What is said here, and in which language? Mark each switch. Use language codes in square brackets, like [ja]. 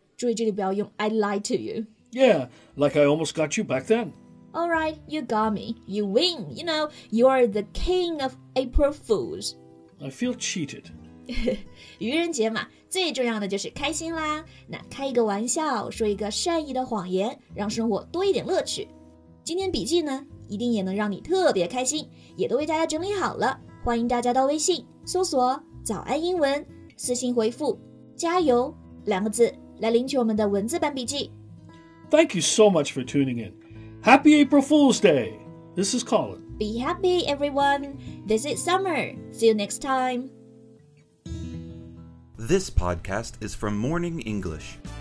[zh] 注意这里不要用 [en] I lied to you. Yeah, like I almost got you back then. Alright, you got me. You win. You know, you are the king of April Fools. I feel cheated. [zh] 愚人节嘛，最重要的就是开心啦。那开一个玩笑，说一个善意的谎言，让生活多一点乐趣。今天笔记呢，一定也能让你特别开心，也都为大家整理好了。欢迎大家到微信搜索早安英文，私信回复加油两个字来领取我们的文字版笔记。 [en] Thank you so much for tuning in. Happy April Fool's Day. This is Colin. Be happy everyone. This is Summer. See you next time. This podcast is from Morning English.